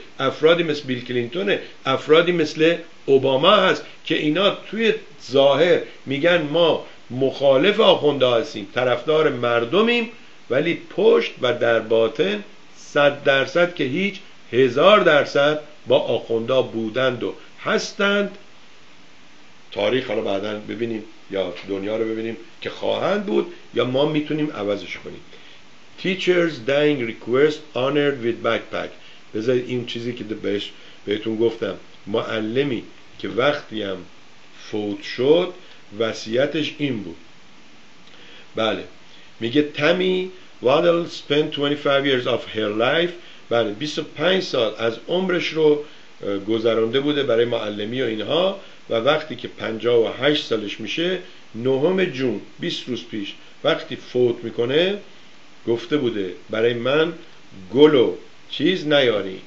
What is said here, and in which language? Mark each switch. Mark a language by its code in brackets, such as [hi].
[fa] افرادی مثل بیل کلینتون، افرادی مثل اوباما هست که اینا توی ظاهر میگن ما مخالف آخوندا هستیم، طرفدار مردمیم، ولی پشت و در باطن 100% که هیچ، 1000% با آخوندا بودند و هستند. تاریخ حالا بعدا ببینیم یا دنیا رو ببینیم که خواهند بود یا ما میتونیم عوضش کنیم. [en] Teachers dying request honored with backpack. [fa] بذارید این چیزی که بهتون گفتم، معلمی که وقتی هم فوت شد وصیتش این بود، بله میگه [en] Tammy Waddell spent 25 years of her life، [fa] بله 25 سال از عمرش رو گذرانده بوده برای معلمی و اینها، و وقتی که 58 سالش میشه 9 جون 20 روز پیش وقتی فوت میکنه گفته بوده برای من گل و چیز نیاری.